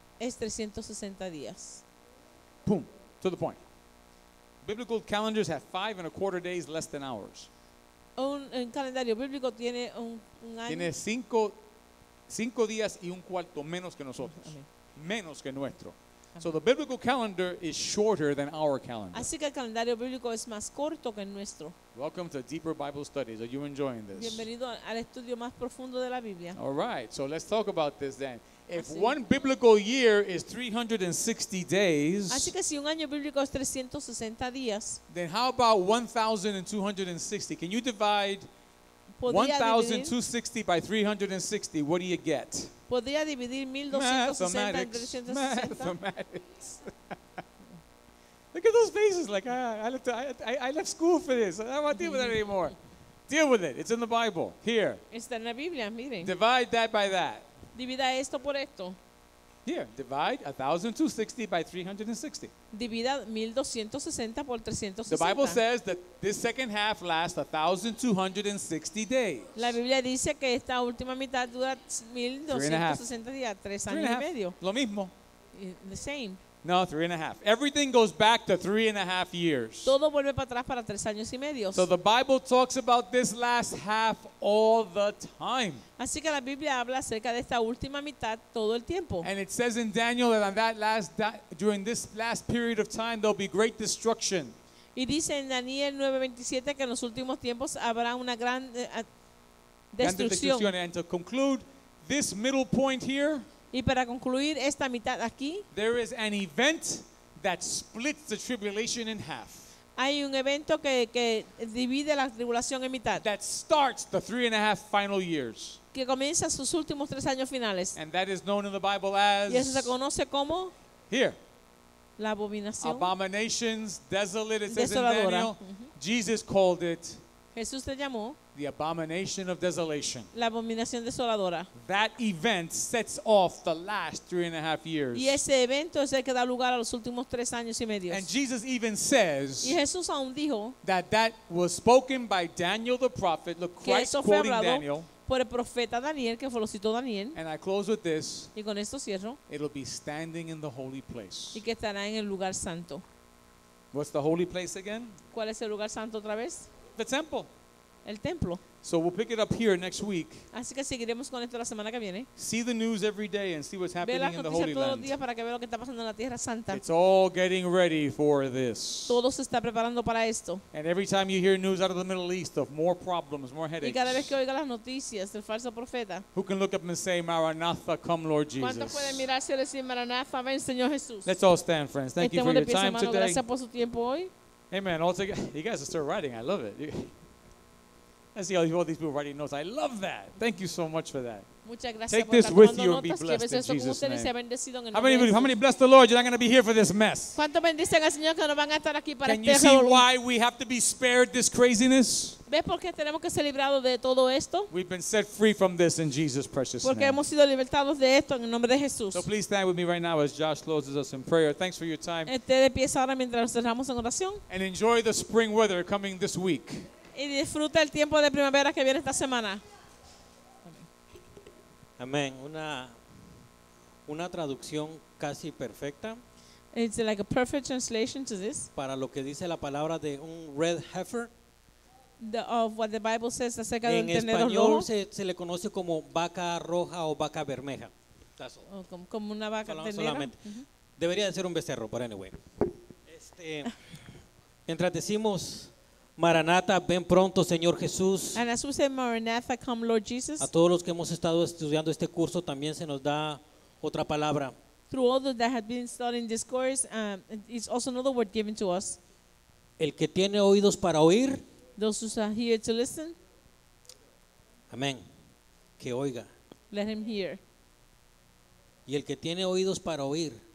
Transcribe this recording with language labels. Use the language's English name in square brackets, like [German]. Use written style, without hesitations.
[Spanish] Es 360 días. [English] Boom. To the point. Biblical calendars have 5.25 days less than ours. [Spanish] Un calendario bíblico tiene un año. Tiene cinco días y un cuarto menos que nosotros. Menos que nuestro. [English] So the biblical calendar is shorter than our calendar. [Spanish] Así que el calendario bíblico es más corto que el nuestro. [English] Welcome to deeper Bible studies. Are you enjoying this? [Spanish] Bienvenido al estudio más profundo de la Biblia. [English] All right, so let's talk about this then. If one biblical year is 360 days, [Spanish] así que si un año bíblico es 360 días, [English] then how about 1,260? Can you divide 1,260 by 360? What do you get? [Spanish] ¿Podría dividir 1,260 entre 360? [English] Mathematics. Look at those faces. Like, I left school for this. I don't want to deal with that anymore. Deal with it. It's in the Bible. Here. [Spanish] Está en la Biblia, miren. [English] Divide that by that. [Spanish] Divida esto por esto. [English] Here, divide 1,260 by 360. [Spanish] Divida 1,260 por 360. [English] The Bible says that this second half lasts 1,260 days. [Spanish] La Biblia dice que esta última mitad dura 1,260 días, tres años y medio. Lo mismo. [English] The same. No, 3.5. Everything goes back to 3.5 years. [Spanish] Todo vuelve para atrás para 3 años y medio. [English] So the Bible talks about this last half all the time. [Spanish] Así que la Biblia habla acerca de esta última mitad todo el tiempo. [English] And it says in Daniel that on that last during this last period of time there'll be great destruction. [Spanish] Y dice en Daniel 9:27 que en los últimos tiempos habrá una gran destrucción. [English] And to conclude this middle point here. [Spanish] Y para concluir esta mitad aquí, [English] there is an event that splits the tribulation in half. [Spanish] Hay un evento que divide la tribulación en mitad. [English] That starts the 3.5 final years. [Spanish] Que comienza sus últimos 3 años finales. [English] And that is known in the Bible as. [Spanish] Y eso se conoce como. [English] Here. [Spanish] La abominación. [English] Abominations, desolate. It says [Spanish] desoladora. [English] In Daniel, Jesus called it. [Spanish] Jesús le llamó. [English] The abomination of desolation. [Spanish] La abominación desoladora. [English] That event sets off the last 3.5 years. [Spanish] Y ese evento es el que da lugar a los últimos 3 años y medio. [English] And Jesus even says. [Spanish] Y Jesús aún dijo. [English] That was spoken by Daniel the prophet. Look, Christ quoting Daniel. [Spanish] Por el profeta Daniel, que fue lo citó Daniel. [English] And I close with this. [Spanish] Y con esto cierro. [English] It'll be standing in the holy place. [Spanish] Y que estará en el lugar santo. [English] What's the holy place again? [Spanish] ¿Cuál es el lugar santo otra vez? [English] The temple. [Spanish] El templo. [English] So we'll pick it up here next week. [Spanish] Así que seguiremos con esto la semana que viene. [English] See the news every day and see what's happening in the Holy Land. [Spanish] Ve las noticias para que vea lo que está pasando en la Tierra Santa. [English] It's all getting ready for this. [Spanish] Todo se está preparando para esto. [English] And every time you hear news out of the Middle East of more problems, more headaches. [Spanish] Y cada vez que oiga las noticias del falso profeta. [English] Who can look up and say, "Maranatha, come, Lord Jesus"? [Spanish] ¿Cuánto puede mirarse y decir, "Maranatha, ven, Señor Jesús"? [English] Let's all stand, friends. Thank [Spanish] Estamos [English] you for your time [Spanish] hermano, [English] today. [Spanish] Gracias por su tiempo hoy. [English] Amen. All together. You guys are still writing. I love it. I see all these people writing notes. I love that. Thank you so much for that. [Spanish] Muchas gracias. [English] Take this with you and be blessed in Jesus' name. How many bless the Lord? You're not going to be here for this mess. [Spanish] ¿Cuánto bendicen al Señor que no van a estar aquí para este revolú? [English] Can you see why we have to be spared this craziness? [Spanish] ¿Ves por qué tenemos que ser librados de todo esto? [English] We've been set free from this in Jesus' precious [Spanish] Porque [English] name. [Spanish] Porque hemos sido libertados de esto en el nombre de Jesús. [English] So please stand with me right now as Josh closes us in prayer. Thanks for your time. [Spanish] Esté de pie ahora mientras nos cerramos en oración. [English] And enjoy the spring weather coming this week. [Spanish] Y disfruta el tiempo de primavera que viene esta semana. Amén. Una traducción casi perfecta. [English] It's like a perfect translation to this. [Spanish] Para lo que dice la palabra de un [English] red heifer. Of what the Bible says [Spanish] acerca en de un ternero rojo. En español se le conoce como vaca roja o vaca bermeja. Como una vaca ternera. Solamente. Uh-huh. Debería de ser un becerro, pero [English] anyway. [Spanish] mientras decimos Maranatha, ven pronto, Señor Jesús. [English] And as we say, Maranatha, come, Lord Jesus. [Spanish] A todos los que hemos estado estudiando este curso, también se nos da otra palabra. [English] Through all those that have been studying this course, it's also another word given to us. [Spanish] El que tiene oídos para oír. [English] Those who are here to listen. [Spanish] Amén. Que oiga. [English] Let him hear. [Spanish] Y el que tiene oídos para oír.